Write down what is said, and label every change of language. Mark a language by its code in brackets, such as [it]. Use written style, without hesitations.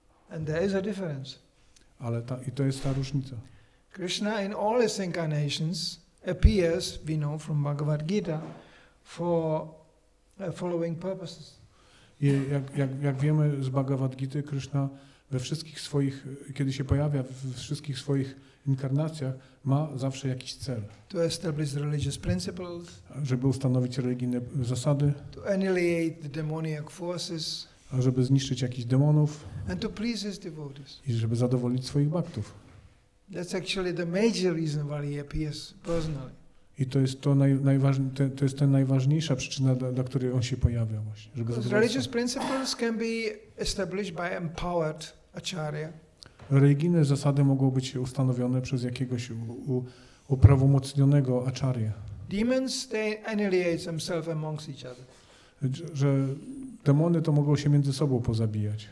[en] And there is a difference. [pl] Ale i to jest ta różnica. [en] Krishna in all his incarnations appears, we know from Bhagavad Gita, for following purposes. [pl] Jak wiemy z Bhagavad Gita, Krishna we wszystkich swoich, kiedy się pojawia we wszystkich swoich inkarnacjach, ma zawsze jakiś cel. [en] To establish religious principles. [pl] Żeby ustanowić religijne zasady. [en] To annihilate the demonic forces. [pl] A żeby zniszczyć jakichś demonów. [en] And to please his devotees. [pl] I żeby zadowolić swoich bhaktów. [en] That's actually the major reason why he appears personally. [pl] I to jest to to jest ten najważniejsza przyczyna, dla której on się pojawia właśnie, żeby zadowolić. [en] Religious principles can be established by empowered acharya. [pl] Religijne zasady mogą być ustanowione przez jakiegoś uprawomocnionego acharya. [en] Demons, they annihilate themselves amongst each other. [pl] Że demony to mogą się między sobą pozabijać.